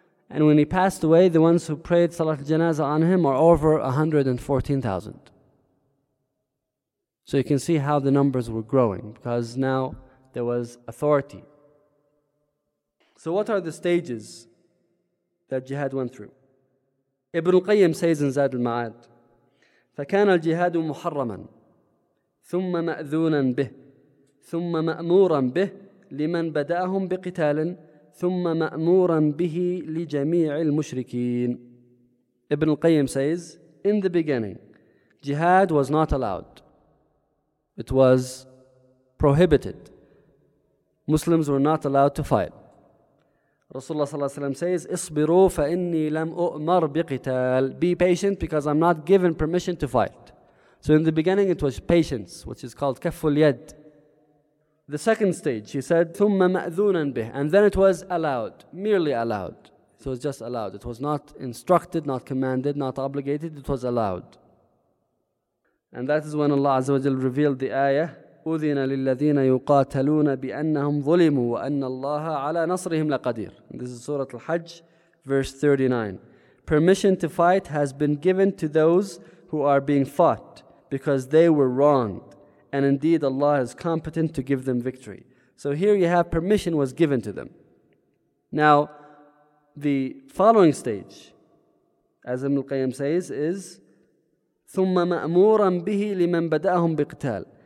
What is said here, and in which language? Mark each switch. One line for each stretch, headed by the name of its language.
English: And when he passed away, the ones who prayed Salat al-Janazah on him are over 114,000. So you can see how the numbers were growing, because now there was authority. So what are the stages that jihad went through? Ibn al-Qayyim says in Zad al-Ma'ad,
Arabic: فَكَانَ الْجِهَادُ مُحَرَّمًا ثُمَّ مَأْذُونًا بِهِ ثُمَّ مَأْمُورًا بِهِ لِمَنْ بَدَأَهُمْ بِقِتَالٍ ثُمَّ مَأْمُورًا بِهِ لِجَمِيعِ الْمُشْرِكِينَ.
English: Ibn al-Qayyim says, in the beginning, jihad was not allowed. It was prohibited. Muslims were not allowed to fight. Rasulullah sallallahu alayhi wa sallam says,
Arabic: اصبروا فإني لم أؤمر بقتال.
English: Be patient because I'm not given permission to fight. So in the beginning it was patience, which is called
Arabic: كف اليد.
English: The second stage, he said,
Arabic: ثم مأذونا به.
English: And then it was allowed, merely allowed. So it was just allowed. It was not instructed, not commanded, not obligated. It was allowed. And that is when Allah azza wa jal revealed the ayah,
Arabic: أذن للذين يقاتلون بأنهم ظلموا وأن الله على نصرهم لقدير.
English: This is Surah Al-Hajj, verse 39. Permission to fight has been given to those who are being fought because they were wronged. And indeed Allah is competent to give them victory. So here you have permission was given to them. Now, the following stage, as Ibn Al-Qayyim says, is
Arabic: ثُمَّ مَأْمُورًا بِهِ لِمَنْ بَدَأَهُمْ بِقْتَالٍ.